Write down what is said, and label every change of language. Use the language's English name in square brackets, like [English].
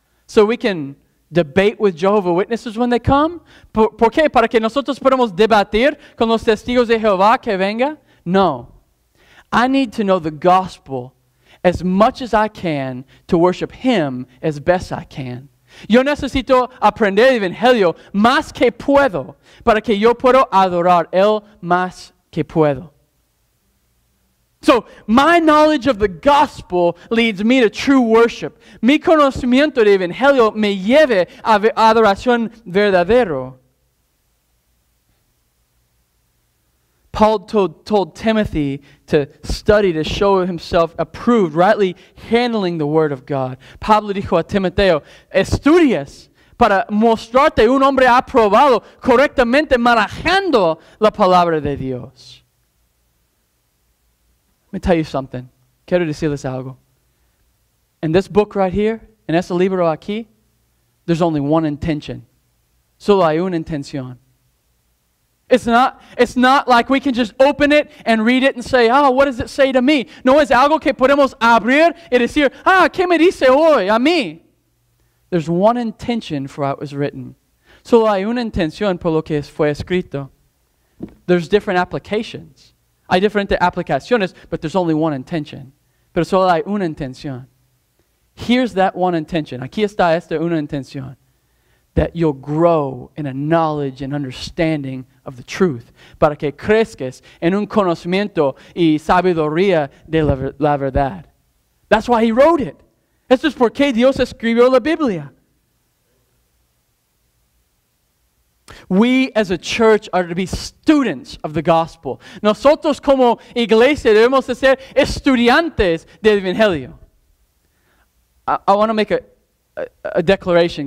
[English] So we can debate with Jehovah Witnesses when they come? [Spanish] ¿Por qué? ¿Para que nosotros podamos debatir con los testigos de Jehová que venga? [English] No. I need to know the gospel as much as I can to worship Him as best I can. [Spanish] Yo necesito aprender el Evangelio más que puedo para que yo pueda adorar Él más que puedo. [English] So, my knowledge of the gospel leads me to true worship. [Spanish] Mi conocimiento de Evangelio me lleve a adoración verdadero. [English] Paul told Timothy to study to show himself approved, rightly handling the word of God. [Spanish] Pablo dijo a Timoteo, estudias para mostrarte un hombre aprobado, correctamente manejando la palabra de Dios. [English] Let me tell you something. [Spanish] Quiero decirles algo. [English] In this book right here, [Spanish] en este libro aquí, [English] there's only one intention. [Spanish] Solo hay una intención. [English] It's not like we can just open it and read it and say, oh, what does it say to me? [Spanish] No, es algo que podemos abrir y decir, ah, ¿qué me dice hoy a mí? [English] There's one intention for what was written. [Spanish] Solo hay una intención por lo que fue escrito. [English] There's different applications. [Spanish] Hay diferentes aplicaciones, [English] but there's only one intention. [Spanish] Pero solo hay una intención. [English] Here's that one intention. [Spanish] Aquí está esta una intención. [English] That you'll grow in a knowledge and understanding of the truth. [Spanish] Para que crezcas en un conocimiento y sabiduría de la verdad. [English] That's why he wrote it. [Spanish] Esto es porque Dios escribió la Biblia. [English] We as a church are to be students of the gospel. [Spanish] Nosotros como iglesia debemos de ser estudiantes del evangelio. [English] I want to make a declaration.